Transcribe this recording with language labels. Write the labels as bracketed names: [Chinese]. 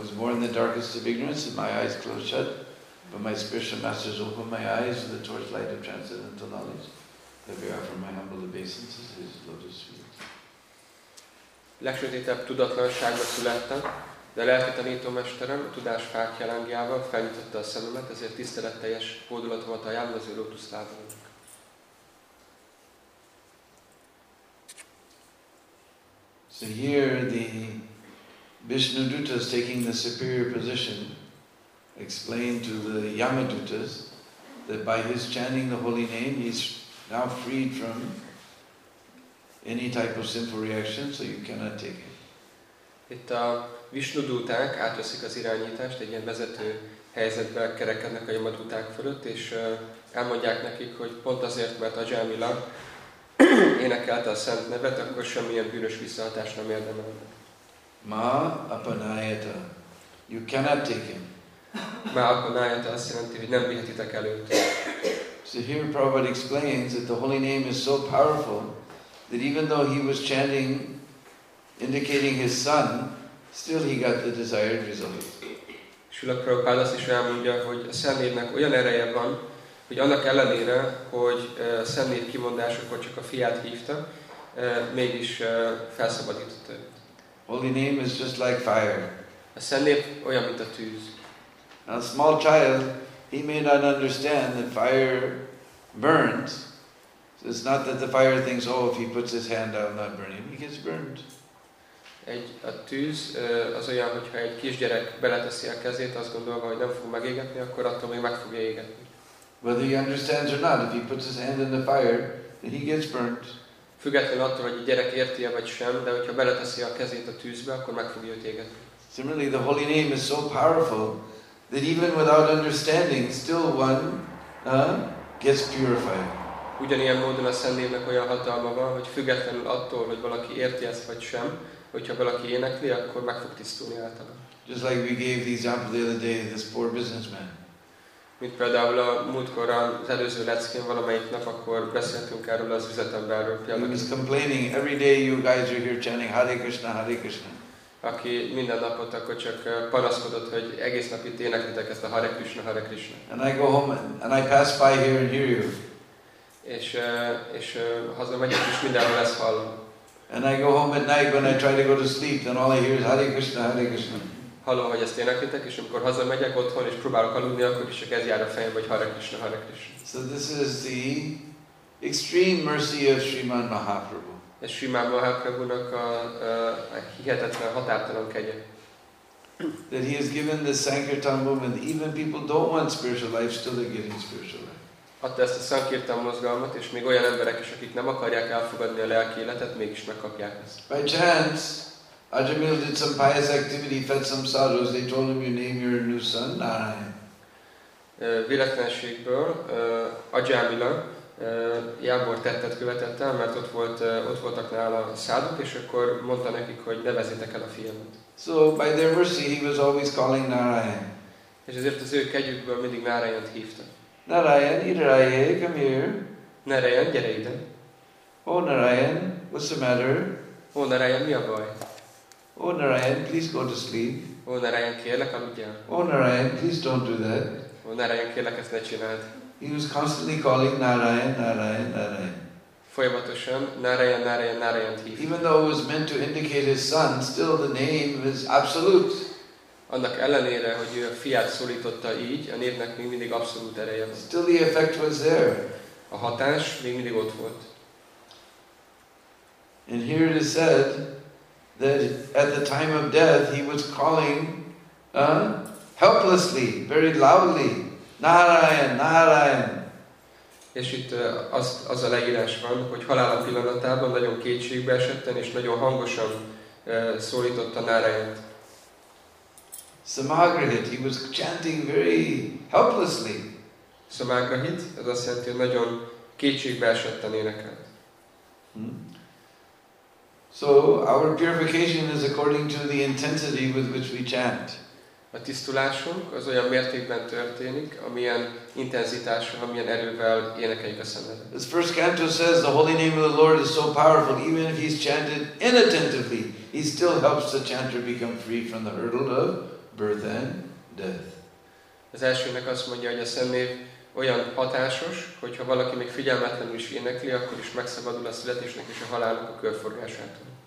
[English] ignorance and my eyes closed shut, but my spiritual masters opened my eyes to the torchlight of transcendental knowledge that we offer my humble obeisances to his lotus feet. [Hungarian] Legsötétebb tudatlanságba születtem, de a lelki tanítómesterem a tudás fákja lángjával felnyitotta a szememet, ezért tiszteletteljes hódolatomat ajánlom az ő lotus lábának. [English] So here the Vishnu Dutas taking the superior position explained to the Yamadutas that by his chanting the holy name, he's now freed from any type of sinful reaction, so you cannot take it. [Hungarian] Itt a Visnuduták átveszik az irányítást, egy ilyen vezető helyzetbe kerekednek a Yamaduták fölött, és elmondják nekik, hogy pont azért, mert Ajámilag énekelte a szent nevet, akkor semmilyen bűnös visszahatás nem érdemelnek. [Sanskrit] Ma apanayata. [English] You cannot take him. [Sanskrit] Ma apanayata [Hungarian] azt jelenti, hogy nem vihetitek előtt. [English] So here Prabhupada explains that the holy name is so powerful that even though he was chanting, indicating his son, still he got the desired result. [Hungarian] Srila Prabhupada azt is elmondja, hogy a szent névnek olyan ereje van, hogy annak ellenére, hogy a szent név kimondásakor csak a fiát hívta, mégis felszabadította őt. [English] Holy name is just like fire. [Hungarian] A szent név olyan, mint a tűz. [English] A small child, he may not understand that fire burns. So it's not that the fire thinks, oh, if he puts his hand out, not burning, he gets burned. [Hungarian] Egy a tűz az olyan, hogyha egy kisgyerek beleteszi a kezét, azt gondolva, hogy nem fog megégetni, akkor attól még meg fogja égetni. [English] Whether he understands or not, if he puts his hand in the fire, then he gets burnt. [Hungarian] Függetlenül attól, hogy a gyerek érti-e vagy sem, de hogyha beleteszi a kezét a tűzbe, akkor meg fogja őt égetni. [English] Similarly, the holy name is so powerful that even without understanding, still one gets purified. [Hungarian] Ugyanilyen módon a szent névnek olyan hatalma van, hogy függetlenül attól, hogy valaki érti ezt vagy sem, hogyha valaki énekli, akkor meg fog tisztulni általa. [English] Just like we gave the example the other day, this poor businessman. [Hungarian] Mint például a múltkor az előző leckén valamelyik nap, akkor beszéltünk erről az üzletemberről. [English] He was complaining, every day you guys are here chanting Hare Krishna, Hare Krishna. [Hungarian] Aki minden napot akkor csak panaszkodott, hogy egész nap itt éneklitek ezt a Hare Krishna, Hare Krishna. [English] And I go home and I pass by here and hear you. [Hungarian] És hazamegyek, és mindenhol ezt hallom. [English] And I go home at night when I try to go to sleep, and all I hear is Hare Krishna, Hare Krishna. [Hungarian] Hallom, hogy ezt éneklitek, és amikor hazamegyek otthon, és próbálok aludni, akkor is csak ez jár a fejem, hogy Hare Krishna, Hare Krishna. [English] So this is the extreme mercy of Sriman Mahaprabhu. [Hungarian] Ez Sriman Mahaprabhu-nak a hihetetlen, határtalan kegye. [English] That he has given the Sankirtan movement, even people don't want spiritual life, still they're giving spiritual life. [Hungarian] Adta ezt a Sankirtan mozgalmat, és még olyan emberek is, akik nem akarják elfogadni a lelki életet, mégis megkapják ezt. [English] By chance, Ajamil did some pious activity, fed some sadhus, they told him, you name your new son, Narayan. [Hungarian] Véletlenségből, Ajamila, jábor tettet követett el, mert ott voltak nála a sadhuk, és akkor mondta nekik, hogy nevezzétek el a fiamat. [English] So, by their mercy, he was always calling Narayan. [Hungarian] És ezért az ő kegyükből mindig Narayant hívta. [English] Narayan, Iraye, come here. [Hungarian] Narayan, gyere ide. [English] Oh, Narayan, what's the matter? [Hungarian] Oh, Narayan, mi a baj? [English] Oh, Narayan, please go to sleep. [Hungarian] Oh, Narayan, kérlek, aludjál. [English] Oh, Narayan, please don't do that. [Hungarian] Oh, Narayan, kérlek, ezt ne csináld. [English] He was constantly calling Narayan, Narayan, Narayan. [Hungarian] Folyamatosan Narayan, Narayan, Narayant hív. [English] Even though it was meant to indicate his son, still the name is absolute. [Hungarian] Annak ellenére, hogy ő a fiát szólította így, a névnek még mindig abszolút ereje van. [English] Still the effect was there. [Hungarian] A hatás még mindig ott volt. [English] And here it is said that at the time of death he was calling helplessly, very loudly, Narayan, Narayan. [Hungarian] És itt az a leírás van, hogy halála pillanatában nagyon kétségbe esetten és nagyon hangosan szólította Narayant. [English] Samagrahit, he was chanting very helplessly. [Hungarian] Samagrahit, ez azt jelenti, hogy nagyon kétségbe esetten énekelt. [English] So our purification is according to the intensity with which we chant. [Hungarian] A tisztulásunk az olyan mértékben történik, amilyen intenzitással, amilyen erővel énekeljük a szemedet. [English] This first canto says the holy name of the Lord is so powerful, even if he's chanted inattentively, he still helps the chanter become free from the hurdle of birth and death. [Hungarian] Az elsőnek azt mondja, hogy a szent név olyan hatásos, hogyha valaki még figyelmetlenül is énekli, akkor is megszabadul a születésnek és a halálnak a körforgásától.